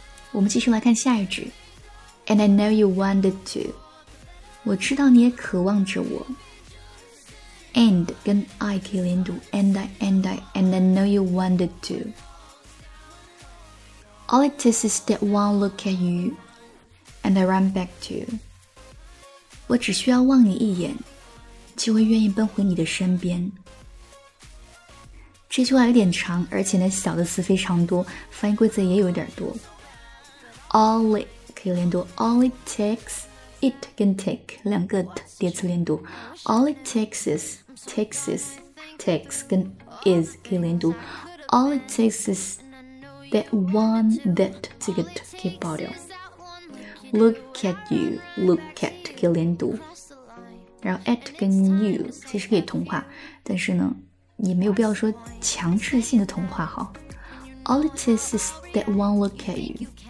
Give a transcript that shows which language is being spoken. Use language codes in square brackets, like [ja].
[zh] 我们继续来看下一句 [en] And I know you wanted to. [zh] 我知道你也渴望着我。 [en] And 跟 I [zh] 可以连读 [en] And I know you wanted to. All it is is that one look at you and I run back to you. [zh] 我只需要望你一眼，就会愿意奔回你的身边。这句话有点长，而且呢，小的词非常多，翻译规则也有点多。 [en] All it 可以连读 ，All it takes it 跟 take [zh] 两个 t 叠词连读 [en] ，All it takes 跟 is 可以连读 ，All it takes is that one that [zh] 这个 t 可以保留。 [en] Look at you, look at [zh] 可以连读，然后 at 跟 you 其实可以同化，但是呢，也没有必要说强制性的同化哈。 [en] All it takes is that one look at you.